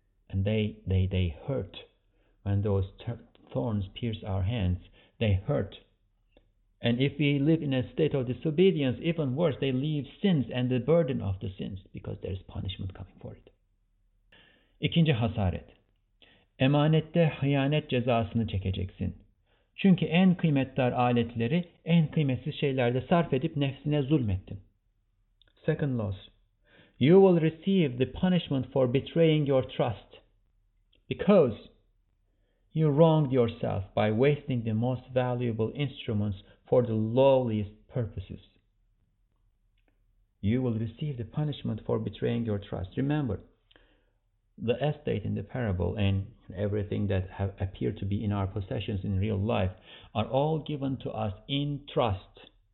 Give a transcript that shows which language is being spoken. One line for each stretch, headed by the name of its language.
English: And they hurt. When those thorns pierce our hands, they hurt. And if we live in a state of disobedience, even worse, they leave sins and the burden of the sins, because there is punishment coming for it.
Turkish: İkinci hasaret. Emanette hıyanet cezasını çekeceksin. Çünkü en kıymetli aletleri en kıymetsiz şeylerde sarf edip nefsine zulmettin.
English: Second loss. You will receive the punishment for betraying your trust. Because you wronged yourself by wasting the most valuable instruments for the lowliest purposes. You will receive the punishment for betraying your trust. Remember, the estate in the parable and everything that have appeared to be in our possessions in real life are all given to us in trust.